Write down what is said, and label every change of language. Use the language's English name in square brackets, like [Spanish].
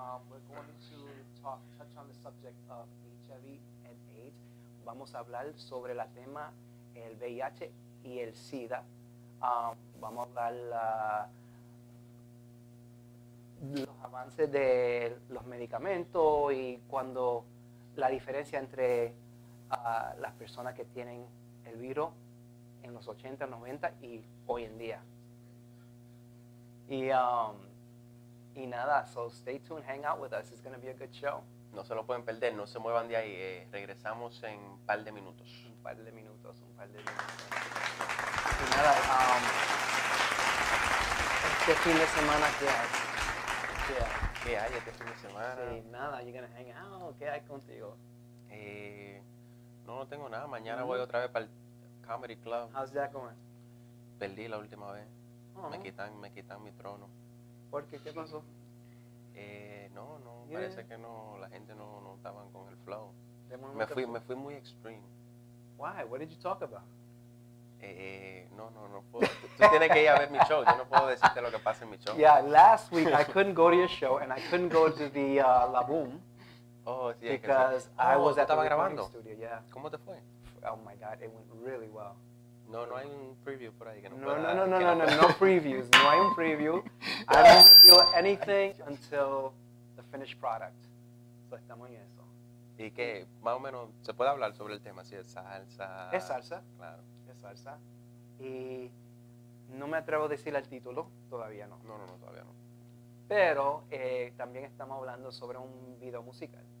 [English] We're going to touch on the subject of HIV and AIDS. [Spanish] Vamos a hablar sobre el tema el VIH y el SIDA. Vamos a hablar los avances de los medicamentos y cuando la diferencia entre las personas que tienen el virus en los 80, 90 y hoy en día. Y nada, [English] so stay tuned, hang out with us. It's going to be a good show. [Spanish] No se lo pueden perder, no se muevan de ahí. Regresamos en un par de minutos. Y nada, este fin de semana, ¿qué hay? ¿Qué hay este fin de semana? Sí, nada, [English] you're going to hang out. [Spanish] ¿Qué hay contigo? No tengo nada. Mañana voy otra vez para el Comedy Club. [English] How's that going? [Spanish] Perdí la última vez. Uh-huh. Me quitan mi trono. ¿Por qué? ¿Qué pasó? No, parece que no, la gente no estaban con el flow. Me fui muy extreme. [English] Why? What did you talk about? [Spanish] No puedo. Tú tienes que ir a ver mi show. Yo no puedo decirte lo que pasa en mi show. [English] Yeah, last week I couldn't go to your show and I couldn't go to the La Boom. [Spanish] Oh, sí. [English] Because I was at the recording studio. Yeah. [Spanish] ¿Cómo te fue? [English] Oh my God, it went really well. [Spanish] No hay un preview por ahí. No previews. No hay un preview. [English] I don't reveal anything until the finished product. [Spanish] So estamos en eso. ¿Y qué? Más o menos, ¿se puede hablar sobre el tema? ¿Si es salsa? Es salsa. Claro. Es salsa. Y no me atrevo a decir el título. Todavía no. No, todavía no. Pero también estamos hablando sobre un video musical.